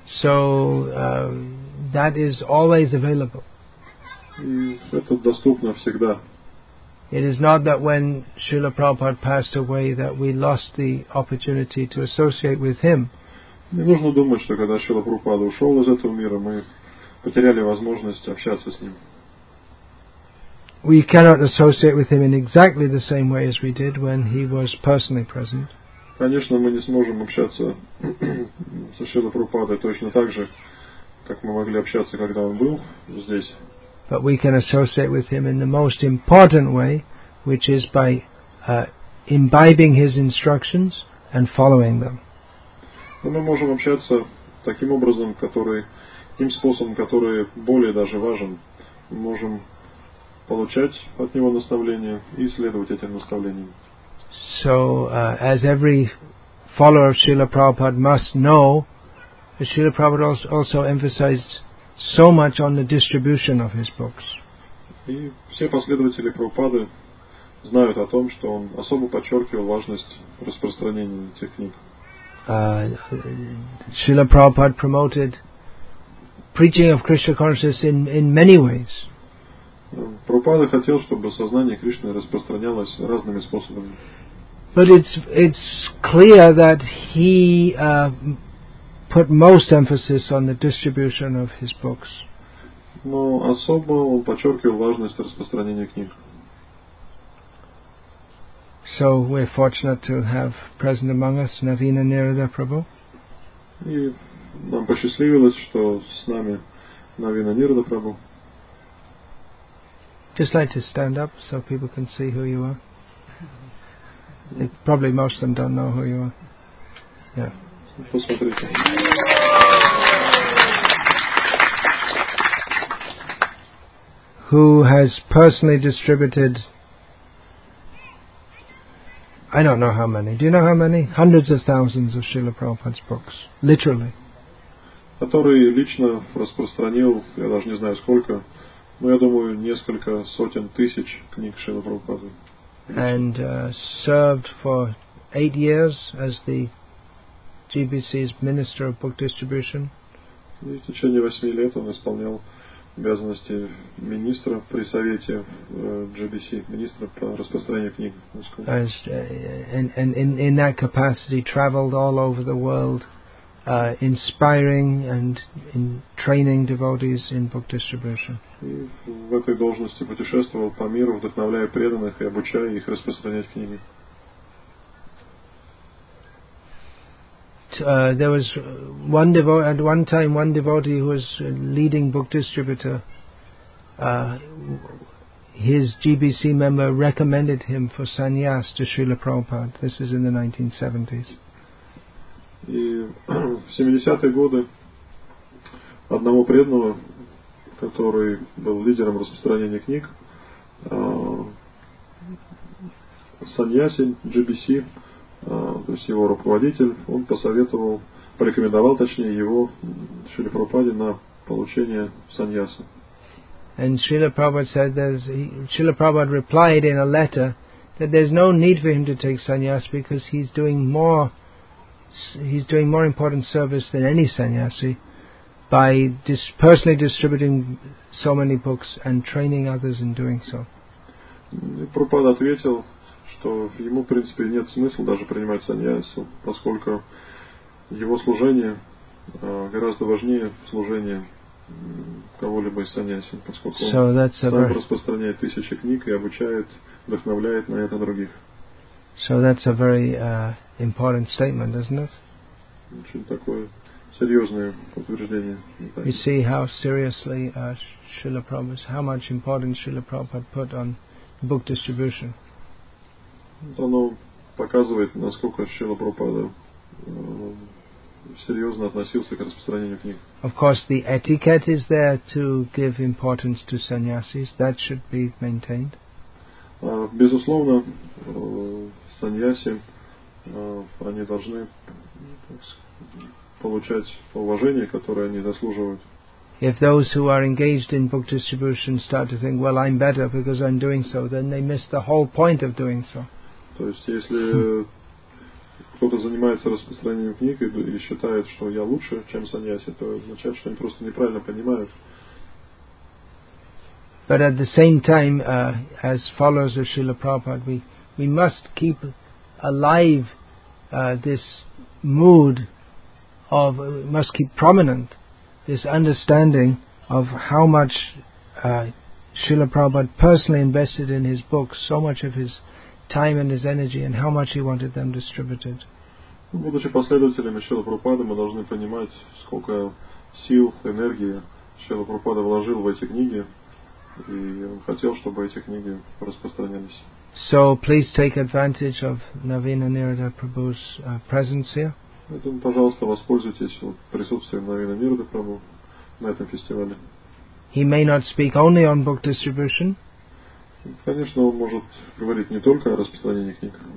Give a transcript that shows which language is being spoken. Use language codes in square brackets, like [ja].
[en] So that is always available. [ru] И это доступно всегда. [en] It is not that when Srila Prabhupada passed away that we lost the opportunity to associate with him. [ru] Не нужно думать, что когда Шрила Прабхупада ушел из этого мира, мы потеряли возможность общаться с ним. [en] We cannot associate with him in exactly the same way as we did when he was personally present. [ru] Конечно, мы не сможем общаться со Шрилой Прабхупадой точно так же, как мы могли общаться, когда он был здесь. [en] But we can associate with him in the most important way, which is by imbibing his instructions and following them. [ru] Мы можем общаться таким образом, тем способом, который более даже важен. Мы можем получать от него наставления и следовать этим наставлениям. [en] So, as every follower of Srila Prabhupada must know, Srila Prabhupada also emphasized so much on the distribution of his books. [ru] И все последователи Прабхупады знают о том, что он особо подчеркивал важность распространения этих книг. [en] Srila Prabhupada promoted preaching of Krishna consciousness in many ways. [ru] Прабхупада хотел, чтобы сознание Кришны распространялось разными способами. [en] But it's clear that he put most emphasis on the distribution of his books. [ru] Но особо он подчеркивал важность распространения книг. [en] So we're fortunate to have present among us Navina Nirada Prabhu. [ru] И нам посчастливилось, что с нами Навина Нирада Прабху. [en] Just like to stand up so people can see who you are. Probably most of them don't know who you are. Yeah. [ru] Посмотрите. [en] Who has personally distributed, I don't know how many. Do you know how many? Hundreds of thousands of Srila Prabhupada's books. Literally. [ru] Который лично распространил, я даже не знаю сколько, но я думаю, несколько сотен тысяч книг Шрилы Прабхупады. [en] And served for 8 years as the GBC's Minister of Book Distribution. [ru] И в течение 8 лет он исполнял обязанности министра при совете GBC, министра по распространению книг. [en] And in that capacity traveled all over the world, inspiring and in training devotees in book distribution. [ru] В этой должности путешествовал по миру, вдохновляя преданных и обучая их распространять книги. [en] There was one devotee, at one time one devotee who was a leading book distributor, his GBC member recommended him for sannyas to Srila Prabhupada. This is in the 1970s. [ru] И в 70-е годы одного преданного, который был лидером распространения книг, саньяси GBC, то есть его руководитель, он посоветовал, порекомендовал, точнее, его Шрила Прабхупаде на получение саньяса. [en] And Srila Prabhupada said there's Srila Prabhupada replied in a letter that there's no need for him to take sannyas because he's doing more important service than any sannyasi by personally distributing so many books and training others in doing so. [ru] Прабхупада ответил, что ему, в принципе, нет смысла даже принимать саньясу, поскольку его служение гораздо важнее служения кого-либо из саньяси, поскольку он распространяет тысячи книг и обучает, вдохновляет на это других. [en] So that's a very important statement, isn't it? [ru] Очень такое серьезное утверждение. [en] You see how seriously Srila Prabhupada, how much importance Srila Prabhupada put on book distribution. [ru] Оно показывает, насколько Шрила Прабхупада серьезно относился к распространению книг. [en] Of course, the etiquette is there to give importance to sannyasis. That should be maintained. [ru] Безусловно, саньяси, они должны получать уважение, которое они заслуживают. [en] If those who are engaged in book distribution start to think, well, I'm better because I'm doing so, then they miss the whole point of doing so. [ru] То есть, если кто-то занимается распространением книг и считает, что я лучше, чем саньяси, то означает, что они просто неправильно понимают. [en] But at the same time, as followers of Srila Prabhupada, we must keep alive this mood of, we must keep prominent this understanding of how much Srila Prabhupada personally invested in his books, so much of his time and his energy, and how much he wanted them distributed. [ru] Будучи последователями Шрилы Прабхупады, мы должны понимать, сколько сил, энергии Шрила Прабхупада вложил в эти книги, и он хотел, чтобы эти книги распространялись. [en] So please take advantage of Navina Nirada Prabhu's presence here. [ru] Поэтому, пожалуйста, воспользуйтесь вот присутствием Навина Нирада Прабху на этом фестивале. [en] He may not speak only on book distribution. [ru] Конечно, он может говорить не только о распространении книг.